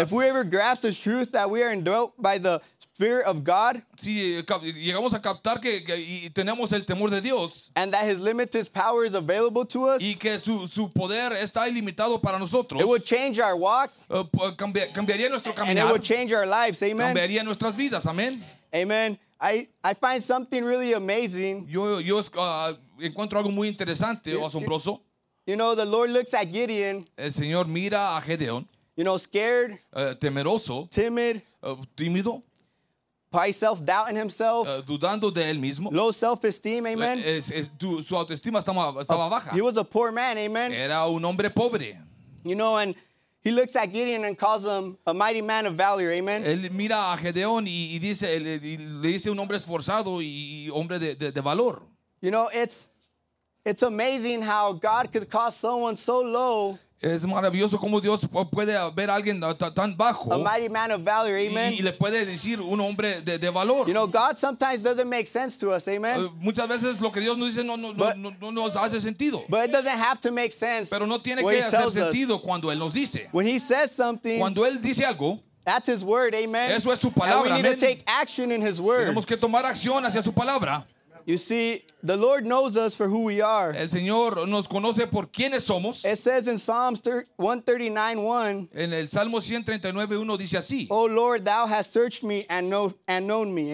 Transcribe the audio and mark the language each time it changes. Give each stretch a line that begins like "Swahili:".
English: If we ever grasp the truth that we are indwelt by the Spirit of God.
Spanish: Si llegamos a captar que y tenemos el temor de Dios.
English: And that His limited power is available to us.
Spanish: Y que su poder está ilimitado para nosotros.
English: It would change our walk.
Spanish: Cambiaría nuestro caminar.
English: And it would change our lives. Amen.
Spanish: Cambiaría nuestras vidas.
English: Amen. Amen. I find something really amazing.
Spanish: Yo encuentro algo muy interesante o asombroso.
English: You know, the Lord looks at Gideon.
Spanish: El Señor mira a Gedeón.
English: You know, scared.
Spanish: Temeroso.
English: Timid.
Spanish: Tímido.
English: By self-doubting himself.
Spanish: Dudando de él mismo.
English: Low self-esteem, amen.
Spanish: Su autoestima estaba baja.
English: He was a poor man, amen.
Spanish: Era un hombre pobre.
English: You know, and he looks at Gideon and calls him a mighty man of valor, amen.
Spanish: Él mira a Gedeón y dice, le dice un hombre esforzado y hombre de valor.
English: You know, it's amazing how God could call someone so low.
Spanish: Es maravilloso cómo Dios puede ver a alguien tan bajo.
English: A mighty man of valor, amen.
Spanish: Y le puede decir un hombre de valor.
English: You know, God sometimes doesn't make sense to us, amen.
Spanish: Muchas veces lo que Dios nos dice no nos hace sentido.
English: But it doesn't have to make sense.
Spanish: Pero no tiene que hacer sentido cuando él nos dice.
English: When he says something.
Spanish: Cuando él dice algo.
English: That's his word, amen.
Spanish: Eso es su palabra, amen.
English: And we need to take action in his word.
Spanish: Tenemos que tomar acción hacia su palabra.
English: You see, the Lord knows us for who we are.
Spanish: El Señor nos conoce por quiénes somos.
English: It says in Psalms 139:1.
Spanish: En el Salmo 139:1 dice así.
English: Oh Lord, thou hast searched me and known me.